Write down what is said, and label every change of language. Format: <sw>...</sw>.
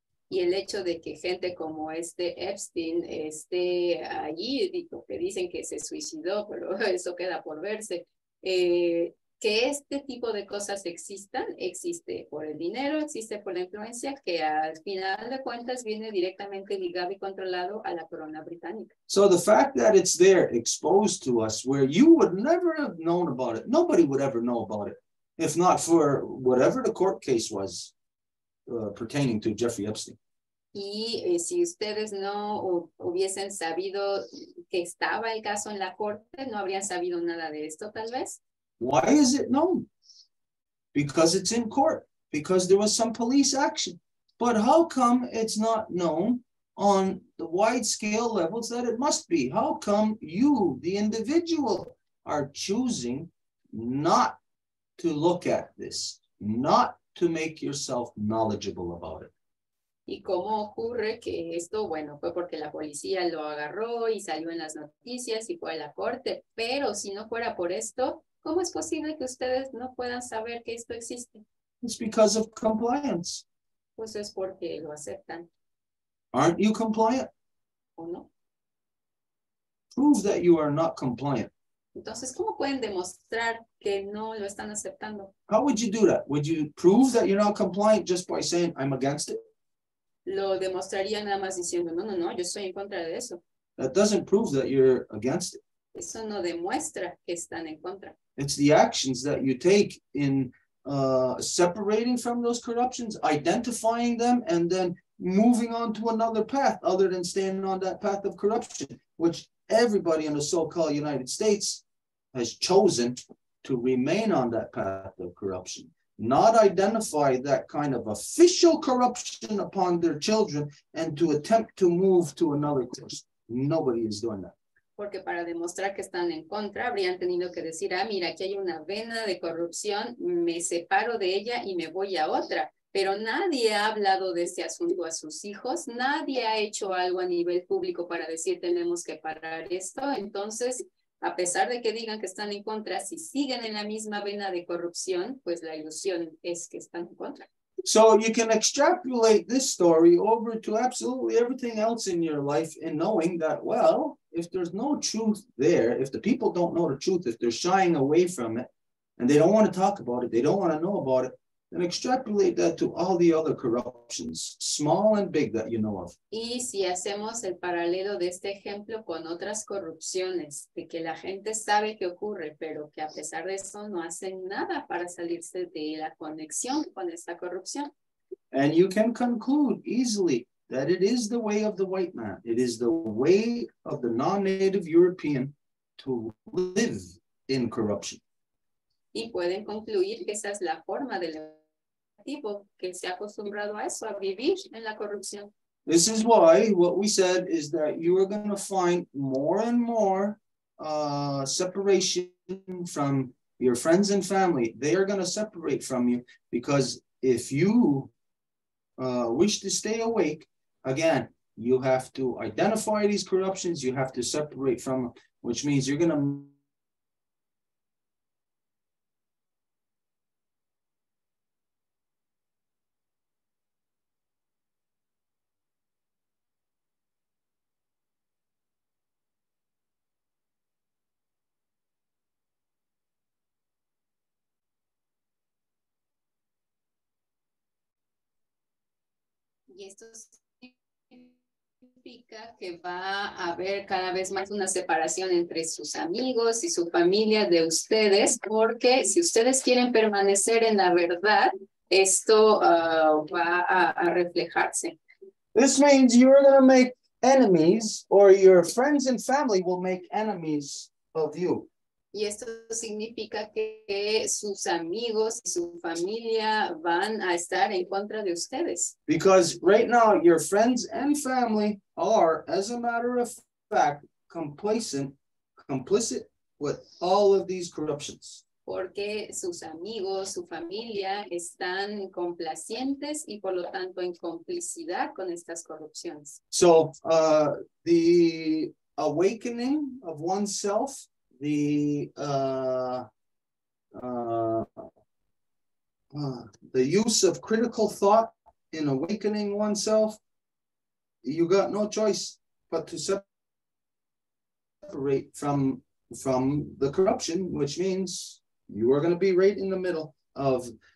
<es>Y el hecho de que gente como este Epstein esté allí, digo, que dicen que se suicidó, pero eso queda por verse. Que este tipo de cosas existan, existe por el dinero, existe por la influencia, que al final de cuentas viene directamente ligado y controlado a la corona británica.</es> <en>So the fact that it's there exposed to us where you would never have known about it, nobody would ever know about it, if not for whatever the court case was pertaining to Jeffrey Epstein.</en> <es>Y si ustedes no hubiesen sabido que estaba el caso en la corte, no habrían sabido nada de esto tal vez.</es> <en>Why is it known? Because it's in court, because there was some police action. But how come it's not known on the wide scale levels that it must be? How come you, the individual, are choosing not to look at this, not to make yourself knowledgeable about it?</en> <es>¿Y cómo ocurre que esto, bueno, fue porque la policía lo agarró y salió en las noticias y fue a la corte, pero si no fuera por esto, ¿cómo es posible que ustedes no puedan saber que esto existe?</es> <en>It's because of compliance.</en> <es>Pues es porque lo aceptan.</es> <en>Aren't you compliant?</en> <es>¿O no?</es> <en>Prove that you are not compliant.</en> <es>Entonces, ¿cómo pueden demostrar que no lo están aceptando?</es> <en>How would you do that? Would you prove that you're not compliant just by saying I'm against it?</en> <es>Lo demostraría nada más diciendo, no, no, no, yo estoy en contra de eso.</es> <en>That doesn't prove that you're against it.</en> <es>Eso no demuestra que están en contra.</es> <en>It's the actions that you take in separating from those corruptions, identifying them, and then moving on to another path other than standing on that path of corruption, which everybody in the so-called United States has chosen to remain on that path of corruption, not identify that kind of official corruption upon their children and to attempt to move to another course. Nobody is doing that.</en> <es>Porque para demostrar que están en contra, habrían tenido que decir, ah, mira, aquí hay una vena de corrupción, me separo de ella y me voy a otra. Pero nadie ha hablado de este asunto a sus hijos, nadie ha hecho algo a nivel público para decir, tenemos que parar esto. Entonces, a pesar de que digan que están en contra, si siguen en la misma vena de corrupción, pues la ilusión es que están en contra.</es> <en>So you can extrapolate this story over to absolutely everything else in your life and knowing that, well, if there's no truth there, if the people don't know the truth, if they're shying away from it and they don't want to talk about it, they don't want to know about it, then extrapolate that to all the other corruptions, small and big, that you know of.</en> <es>Y si hacemos el paralelo de este ejemplo con otras corrupciones, de que la gente sabe que ocurre, pero que a pesar de eso no hacen nada para salirse de la conexión con esta corrupción.</es> <en>And you can conclude easily that it is the way of the white man. It is the way of the non-native European to live in corruption.</en> <es>Y pueden concluir que esa es la forma del nativo que se ha acostumbrado a eso, a vivir en la corrupción.</es> <en>This is why what we said is that you are going to find more and more separation from your friends and family. They are going to separate from you because if you wish to stay awake, again, you have to identify these corruptions, you have to separate from them, which means you're going to...</en> <es>y esto significa que va a haber cada vez más una separación entre sus amigos y su familia de ustedes, porque si ustedes quieren permanecer en la verdad, esto va a reflejarse.</es> <en>This means you're going to make enemies, or your friends and family will make enemies of you.</en> <es>Y esto significa que sus amigos y su familia van a estar en contra de ustedes.</es> <en>Because right now, your friends and family are, as a matter of fact, complicit with all of these corruptions.</en> <es>Porque sus amigos, su familia están complacientes y por lo tanto en complicidad con estas corrupciones.</es> <en>So, the awakening of oneself, the use of critical thought in awakening oneself, you got no choice but to separate from the corruption, which means you are going to be right in the middle of</en>